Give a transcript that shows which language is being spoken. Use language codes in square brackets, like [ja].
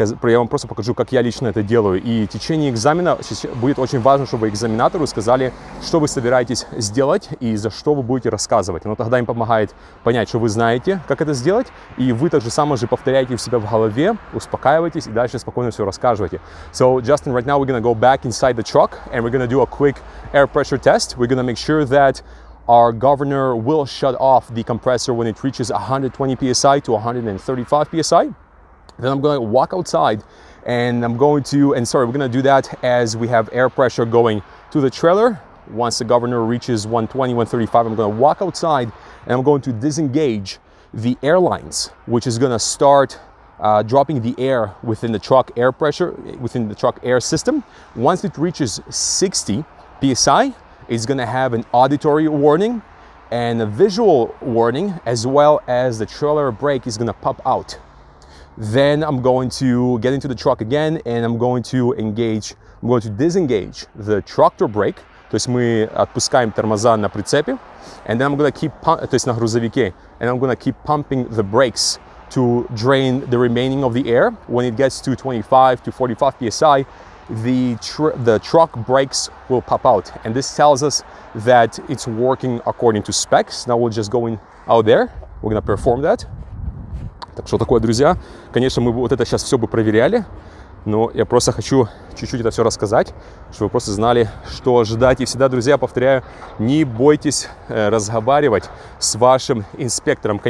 [ru] Я вам просто покажу, как я лично это делаю. И в течение экзамена будет очень важно, чтобы экзаменатору сказали, что вы собираетесь сделать и за что вы будете рассказывать. Но тогда им помогает понять, что вы знаете, как это сделать. И вы так же самое же повторяете у себя в голове, успокаиваетесь и дальше спокойно все рассказываете. [en] So, Justin, right now we're going to go back inside the truck and we're going to do a quick air pressure test. We're going to make sure that our governor will shut off the compressor when it reaches 120 PSI to 135 PSI. Then I'm going to walk outside and I'm going to, and sorry, we're going to do that as we have air pressure going to the trailer. Once the governor reaches 120, 135, I'm going to walk outside and I'm going to disengage the air lines, which is going to start dropping the air within the truck air pressure, within the truck air system. Once it reaches 60 PSI, it's going to have an auditory warning and a visual warning, as well as the trailer brake is going to pop out. Then I'm going to get into the truck again and I'm going to disengage the tractor brake. [ru] То есть мы отпускаем тормоза на прицепе. [en] And then I'm going to keep, [ru] то есть на грузовике. [en] And I'm going to keep pumping the brakes to drain the remaining of the air. When it gets to 25 to 45 PSI, the truck brakes will pop out. And this tells us that it's working according to specs. Now we'll just go in out there. We're going to perform that. [ru] Так что такое, друзья, конечно, мы вот это сейчас все бы проверяли, но я просто хочу чуть-чуть это все рассказать, чтобы вы просто знали, что ожидать. И всегда, друзья, повторяю, не бойтесь разговаривать с вашим инспектором.